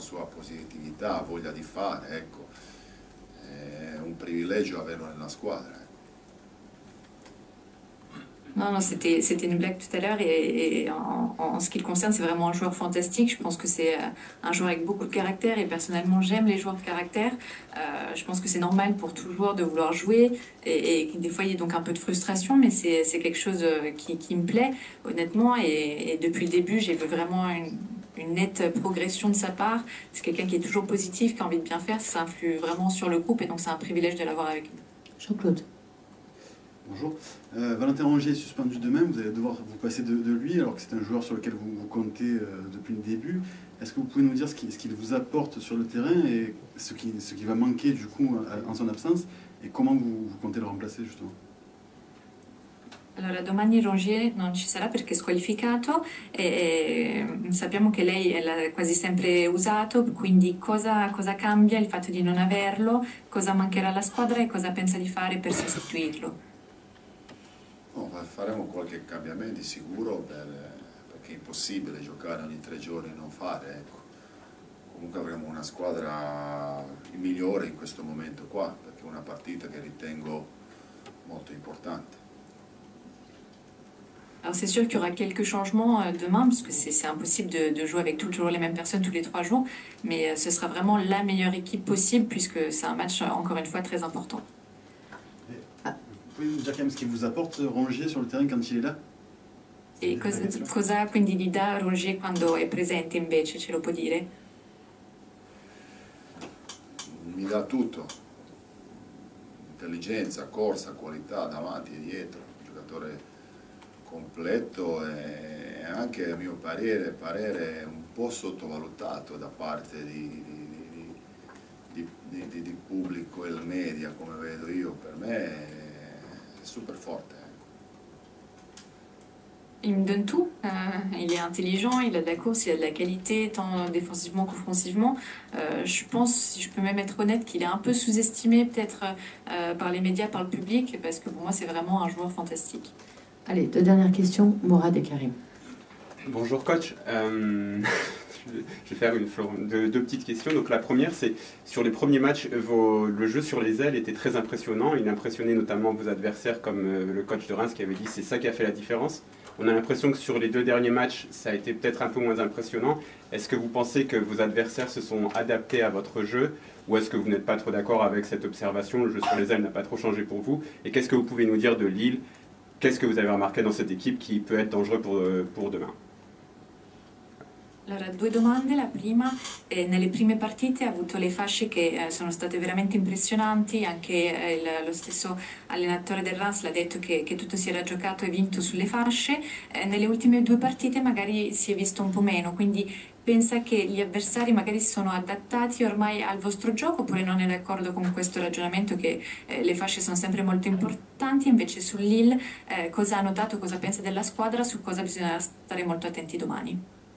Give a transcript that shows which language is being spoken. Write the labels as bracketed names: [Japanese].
[Italian] Sua positività, voglia di fare, ecco, è un privilegio averlo nella squadra. [French] Non, non, c'était une blague tout à l'heure et en ce qui le concerne, c'est vraiment un joueur fantastique. Je pense que c'est un joueur avec beaucoup de caractère et personnellement, j'aime les joueurs de caractère. Je pense que c'est normal pour tout joueur de vouloir jouer et des fois, il y a donc un peu de frustration, mais c'est quelque chose qui me plaît, honnêtement. Et depuis le début, j'ai vu vraiment une nette progression de sa part. C'est quelqu'un qui est toujours positif, qui a envie de bien faire. Ça influe vraiment sur le groupe et donc c'est un privilège de l'avoir avec nous. Jean-Claude. Bonjour. Valentin Rongier est suspendu demain, vous allez devoir vous passer de lui, alors que c'est un joueur sur lequel vous comptez depuis le début. Est-ce que vous pouvez nous dire ce qu'il vous apporte sur le terrain et ce qui va manquer du coup en son absence, et comment vous comptez le remplacer justement? [Italian] Allora, domani Rongier non ci sarà perché è squalificato e sappiamo che lei l'ha quasi sempre usato, quindi cosa cambia il fatto di non averlo, cosa mancherà alla squadra e cosa pensa di fare per sostituirlo? Oh, faremo qualche cambiamento sicuro perché è impossibile giocare ogni tre giorni e non fare, ecco. Comunque avremo una squadra migliore in questo momento qua, perché è una partita che ritengo molto importante. [French] Alors c'est sûr qu'il y aura quelques changements demain, parce que c'est impossible de jouer avec toujours les mêmes personnes tous les trois jours, mais ce sera vraiment la meilleure équipe possible, puisque c'est un match, encore une fois, très important. Vous pouvez nous dire quand même ce qu'il vous apporte, Rongier, sur le terrain, quand il est là? [Italian] Et cosa quindi gli dà Rongier quando è presente, invece, ce lo può dire? Mi dà tutto. Intelligenza, corsa, qualità, davanti e dietro. Un giocatore completo e anche, a mio parere un po' sottovalutato da parte di pubblico e media, come vedo io. Per me è super forte. [French] Il me donne tout, il est intelligent, il a de la course, il a de la qualité, tant défensivement qu'offensivement. Je pense, si je peux même être honnête, qu'il est un peu sous-estimé peut-être par les médias, par le public, parce que pour moi c'est vraiment un joueur fantastique. Allez, deux dernières questions, Mourad et Karim. Bonjour coach, je vais faire deux petites questions. Donc la première, c'est sur les premiers matchs, le jeu sur les ailes était très impressionnant. Il impressionnait notamment vos adversaires comme le coach de Reims qui avait dit « c'est ça qui a fait la différence ». On a l'impression que sur les deux derniers matchs, ça a été peut-être un peu moins impressionnant. Est-ce que vous pensez que vos adversaires se sont adaptés à votre jeu? Ou est-ce que vous n'êtes pas trop d'accord avec cette observation? Le jeu sur les ailes n'a pas trop changé pour vous. Et qu'est-ce que vous pouvez nous dire de Lille? Qu'est-ce que vous avez remarqué dans cette équipe qui peut être dangereux pour demain? [Italian] Allora, due domande. La prima, nelle prime partite ha avuto le fasce che sono state veramente impressionanti, anche lo stesso allenatore del Reims l'ha detto che tutto si era giocato e vinto sulle fasce, nelle ultime due partite magari si è visto un po' meno, quindi pensa che gli avversari magari si sono adattati ormai al vostro gioco, oppure non è d'accordo con questo ragionamento che le fasce sono sempre molto importanti, invece su Lille cosa ha notato, cosa pensa della squadra, su cosa bisognerà stare molto attenti domani?